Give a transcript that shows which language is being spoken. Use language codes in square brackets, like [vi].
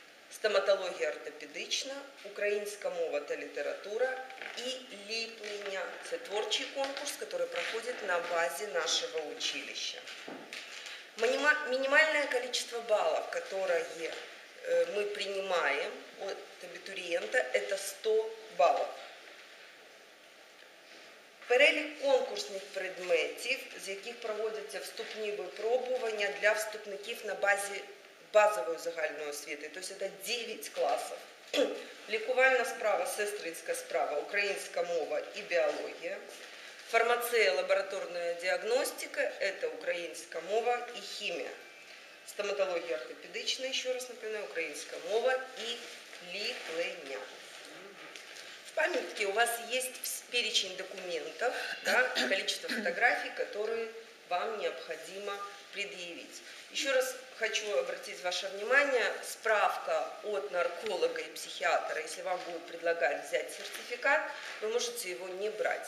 [ru] Стоматология ортопедична, украинская мова, это литература и липлиня. Это творческий конкурс, который проходит на базе нашего училища. Минимальное количество баллов, которые мы принимаем от абитуриента, это 100 баллов. [uk] Перелік конкурсних предметів, з яких проводяться вступні випробування для вступників на базі базової загальної освіти. Тобто це 9 класів. Лікувальна справа, сестринська справа, українська мова і біологія. Фармація, лабораторна діагностика – це українська мова і хімія. Стоматологія ортопедична, ще раз напевно, українська мова і ліплення. [ru] Памятки, у вас есть перечень документов, да, количество фотографий, которые вам необходимо предъявить. Еще раз хочу обратить ваше внимание, справка от нарколога и психиатра, если вам будут предлагать взять сертификат, вы можете его не брать.